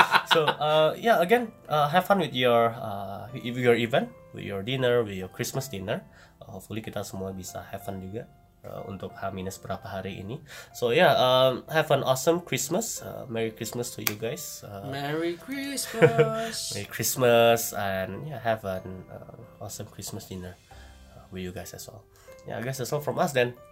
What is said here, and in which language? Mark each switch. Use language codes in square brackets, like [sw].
[en] So again, have fun with your event, with your dinner, with your Christmas dinner. [id] Hopefully kita semua bisa [en] have fun [id] juga untuk H-minus berapa hari ini. [en] So yeah, have an awesome Christmas. Merry Christmas to you guys. Merry Christmas. Merry Christmas and yeah, have an awesome Christmas dinner with you guys as well. Yeah, I guess that's all from us then.